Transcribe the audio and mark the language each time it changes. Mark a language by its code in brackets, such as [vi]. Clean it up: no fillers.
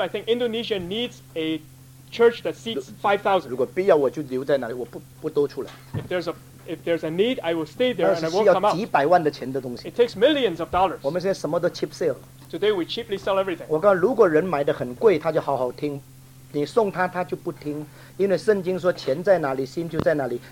[en] I think Indonesia needs a church that seats 5,000. [zh] 如果必要，我就留在那里，我不多出来。 [en] If there's a need, I will stay there and I won't come out. [zh] 那是需要几百万的钱的东西。 [en] It takes millions of dollars. [zh] 我们现在什么都 [en] cheap sale. Today we cheaply sell everything. [zh] 我告诉，如果人买的很贵，他就好好听。你送他，他就不听，因为圣经说钱在哪里，心就在哪里。